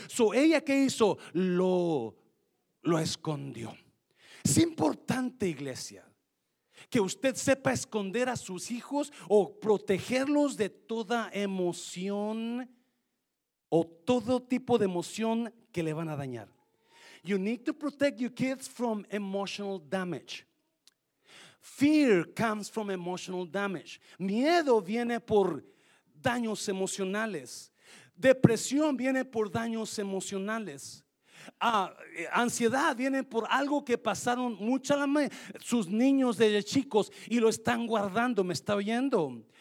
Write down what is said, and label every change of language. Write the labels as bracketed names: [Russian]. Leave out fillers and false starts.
[Spanish] So, ella, ¿qué hizo? Lo escondió. Es importante, iglesia, que usted sepa esconder a sus hijos o protegerlos de toda emoción o todo tipo de emoción que le van a dañar. [English] You need to protect your kids from emotional damage. Fear comes from emotional damage. [Spanish] Miedo viene por daños emocionales. Depresión viene por daños emocionales. Ansiedad viene por algo que pasaron sus niños desde chicos y lo están guardando. ¿Me está oyendo?